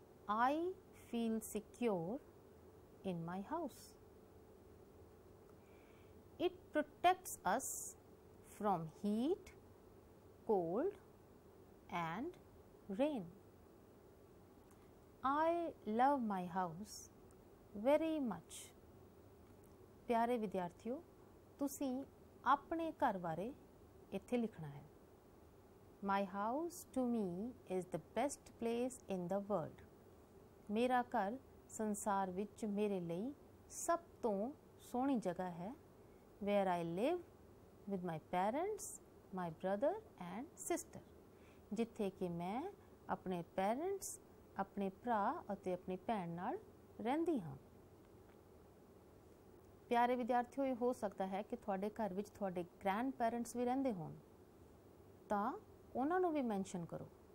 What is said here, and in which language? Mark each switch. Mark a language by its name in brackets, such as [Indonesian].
[English] I feel secure in my house. It protects us from heat, cold and rain. I love my house very much. [Punjabi] ਪਿਆਰੇ ਵਿਦਿਆਰਥੀਓ, ਤੁਸੀਂ ਆਪਣੇ ਘਰ ਬਾਰੇ ਇੱਥੇ ਲਿਖਣਾ ਹੈ। [English] My house to me is the best place in the world. [Punjabi] ਮੇਰਾ ਘਰ ਸੰਸਾਰ ਵਿੱਚ ਮੇਰੇ ਲਈ ਸਭ ਤੋਂ ਸੋਹਣੀ ਜਗ੍ਹਾ ਹੈ। [English] Where I live with my parents, my brother and sister. [Punjabi] ਜਿੱਥੇ ਕਿ ਮੈਂ ਆਪਣੇ ਪੇਰੈਂਟਸ, ਆਪਣੇ ਭਰਾ ਅਤੇ ਆਪਣੀ ਭੈਣ ਨਾਲ ਰਹਿੰਦੀ ਹਾਂ। ਪਿਆਰੇ ਵਿਦਿਆਰਥੀਓ, ਇਹ ਹੋ ਸਕਦਾ ਹੈ ਕਿ ਤੁਹਾਡੇ ਘਰ ਵਿੱਚ ਤੁਹਾਡੇ ਗ੍ਰੈਂਡ ਪੇਰੈਂਟਸ ਵੀ ਰਹਿੰਦੇ ਹੋਣ, ਤਾਂ ਉਹਨਾਂ ਨੂੰ ਵੀ ਮੈਂਸ਼ਨ ਕਰੋ।